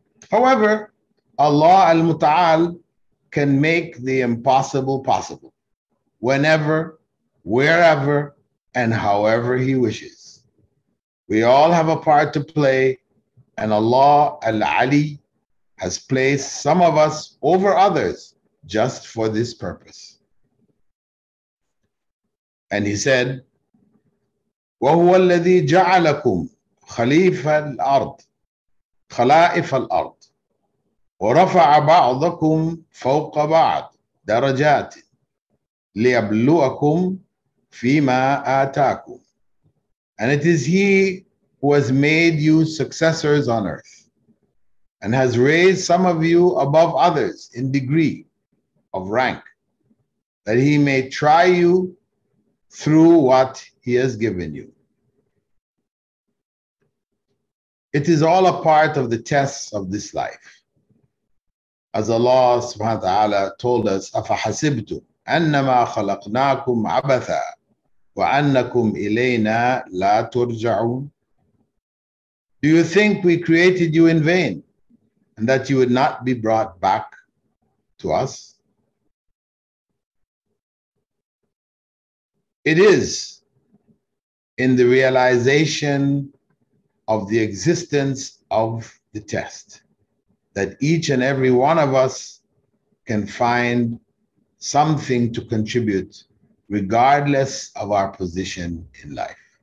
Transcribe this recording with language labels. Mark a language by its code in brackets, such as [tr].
[en] However, Allah Al-Muta'al can make the impossible possible whenever, wherever, and however He wishes. We all have a part to play, and Allah Al-Ali has placed some of us over others just for this purpose. And He said, [ar] وهو الذي جعلكم خليفة الأرض خلائف الأرض ورفع بعضكم فوق بعض درجات ليبلوكم فيما آتاكم. [en] And it is he who has made you successors on earth and has raised some of you above others in degree of rank that he may try you through what he has given you. It is all a part of the tests of this life. As Allah subhanahu wa ta'ala told us, [ar] أَفَحَسِبْتُمْ أَنَّمَا خَلَقْنَاكُمْ عَبَثًا وَأَنَّكُمْ إِلَيْنَا لَا تُرْجَعُونَ. [en] Do you think we created you in vain and that you would not be brought back to us? It is in the realization of the existence of the test that each and every one of us can find something to contribute regardless of our position in life.